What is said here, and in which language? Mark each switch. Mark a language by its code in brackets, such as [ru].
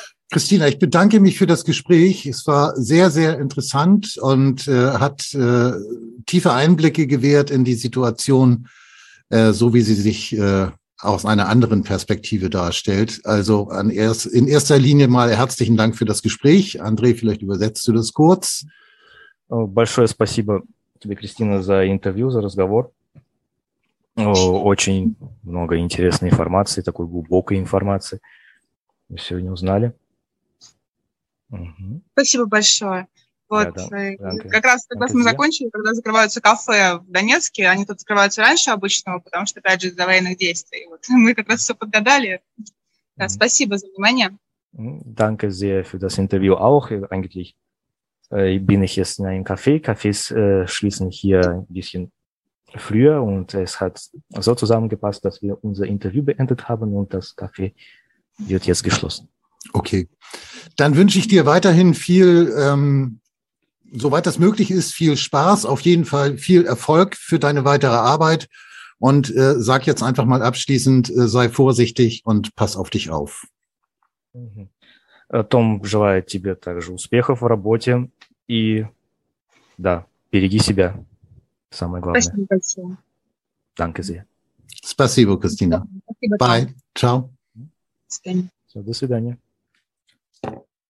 [de] Christina, ich bedanke mich für das Gespräch. Es war sehr, sehr interessant und hat tiefe Einblicke gewährt in die Situation, so wie sie sich aus einer anderen Perspektive darstellt. Also in erster Linie mal herzlichen Dank für das Gespräch. André, vielleicht übersetzt du das kurz. [ru] Большое спасибо тебе, Кристина, за интервью, за разговор. Очень много интересной информации, такой глубокой информации. Мы сегодня узнали. Спасибо большое. Вот, как раз когда мы закончили, когда закрываются кафе в Донецке, они тут закрываются раньше обычного, потому что, опять же, из-за военных действий. Вот, мы как раз все подгадали. Да, спасибо за внимание. [de] Danke sehr für das Interview auch. Eigentlich bin ich jetzt in einem Café. Cafés schließen hier ein bisschen früher und es hat so zusammengepasst, dass wir unser Interview beendet haben und das Café wird jetzt geschlossen. Okay, dann wünsche ich dir weiterhin viel, soweit das möglich ist, viel Spaß, auf jeden Fall viel Erfolg für deine weitere Arbeit und sag jetzt einfach mal abschließend, sei vorsichtig und pass auf dich auf. [ru] Том, желаю тебе также успехов в работе и, да, береги себя, самое главное. Спасибо большое. [de] Danke sehr. [ru] Спасибо, Кристина. [en] Bye. [it] Ciao. [ru] До свидания. [en] Thank you.